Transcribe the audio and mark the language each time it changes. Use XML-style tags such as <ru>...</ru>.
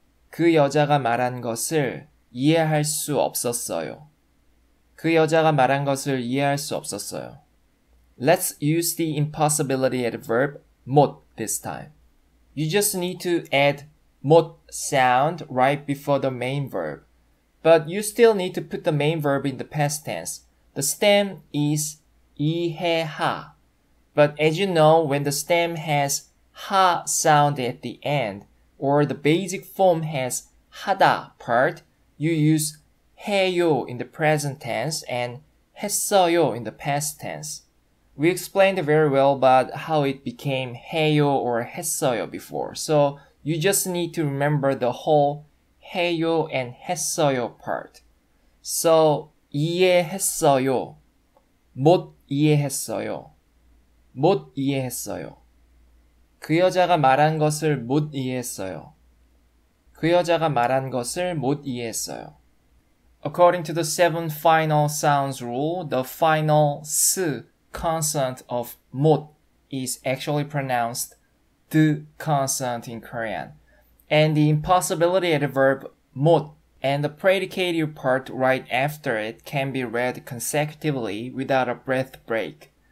<ko>그 여자가 말한 것을 이해할 수 없었어요. 그 여자가 말한 것을 이해할 수 없었어요.</ko> <en>Let's use the impossibility adverb 못 this time. You just need to add 못 sound right before the main verb. But you still need to put the main verb in the past tense. The stem is 이해하. But as you know, when the stem has 하 sound at the end, or the basic form has 하다 part, you use 해요 in the present tense and 했어요 in the past tense. We explained very well about how it became 해요 or 했어요 before. So you just need to remember the whole 해요 and 했어요 part.</en> <ko>So 이해했어요. 못 이해했어요. 못 이해했어요. 그 여자가 말한 것을 못 이해했어요. 그 여자가 말한 것을 못 이해했어요.</ko> <en>According to the seven final sounds rule, the final s consonant of 못 is actually pronounced d consonant in Korean. And the impossibility adverb 못 and the predicative part right after it can be read consecutively without a breath break.</en>